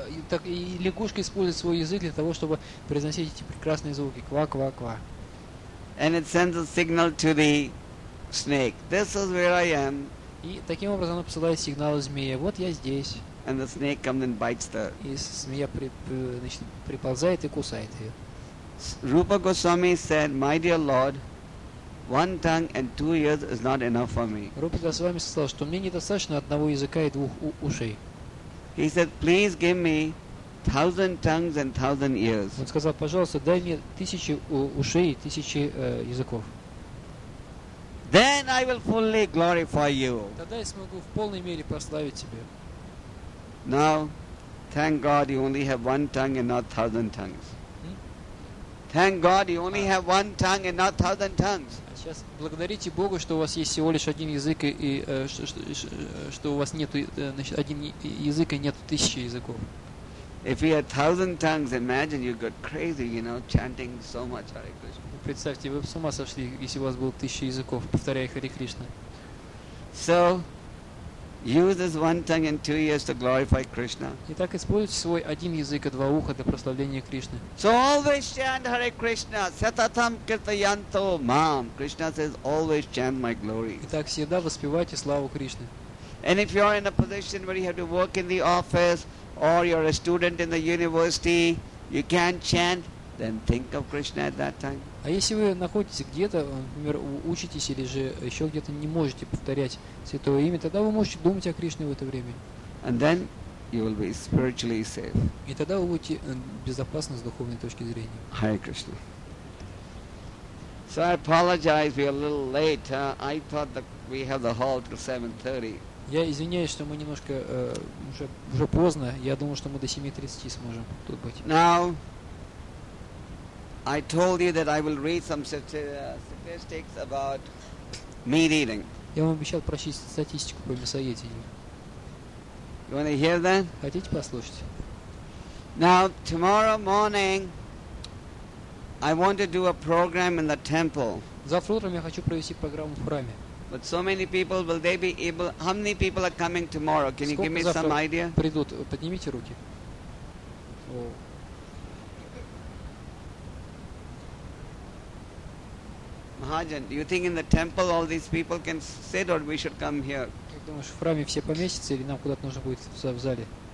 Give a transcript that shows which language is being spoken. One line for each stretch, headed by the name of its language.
Russian: Так и лягушка использует свой язык для того, чтобы произносить эти прекрасные звуки ква-ква-ква.
English: And it sends a signal to the snake. This is where I am.
Russian: И таким образом она посылает сигнал змее. Вот я здесь.
English: And the snake comes and bites the.
Russian: И змея приползает и кусает ее.
English: Rupa Goswami said, "My dear Lord, one tongue and two ears is not enough for me."
Russian: Rupa Goswami сказал, что мне недостаточно одного языка и двух ушей.
English: He said, "Please give me 1,000 tongues and 1,000 ears."
Russian: Он сказал, пожалуйста, дай мне 1,000 ушей и 1,000 языков.
English: Then I will fully glorify you.
Russian: Тогда я смогу в полной мере прославить тебя.
English: Now, thank God you only have one tongue and not 1,000 tongues. Thank God you only have one tongue and not 1,000 tongues.
Russian: Сейчас благодарите Богу, что у вас есть всего лишь один язык и что у вас нету один язык и нету тысячи языков.
English: If you had 1,000 tongues, imagine you got crazy, you know, chanting so much Hare Krishna.
Russian: Представьте, вы с ума сошли, если у вас было 1,000 языков, повторяя Хари Кришна.
English: So. Use this one tongue and two ears to glorify Krishna.
Russian: Итак, используйте свой один язык и два уха для прославления Кришны.
English: So always chant Hare Krishna,
Sanskrit: Satatam Kirtayanto Mam.
English: Krishna says, always chant my glory.
Russian: Итак, всегда воспевайте славу Кришны.
English: And if you are in a position where you have to work in the office or you're a student in the university, you can't chant, then think of Krishna at that time.
Russian: А если вы находитесь где-то, например, учитесь или же еще где-то не можете повторять Святое Имя, тогда вы можете думать о Кришне в это время.
English: And then you will be spiritually safe.
Russian: И тогда вы будете безопасны с духовной точки зрения.
English: Hare Krishna. So I apologize, we are a little late. I thought that we have the hall till 7:30.
Russian: Я извиняюсь, что мы немножко уже поздно. Я думал, что мы до 7:30 сможем тут быть.
English: Now, I told you that I will read some statistics about meat eating.
Russian: Я вам обещал прочесть статистику по мясоедению.
English: You want to hear that?
Russian: Хотите послушать?
English: Now tomorrow morning, I want to do a program in the temple.
Russian: Завтра утром я хочу провести программу в храме.
English: But so many people, will they be able? How many people are coming tomorrow? Can
Russian: Сколько
English: you give me some idea?
Russian: Придут? Поднимите руки.
English: Mahajan, do you think in the temple all these people can sit, or we should come here?
Russian: Думаешь, в храме все поместятся или нам куда-то нужно будет в зале?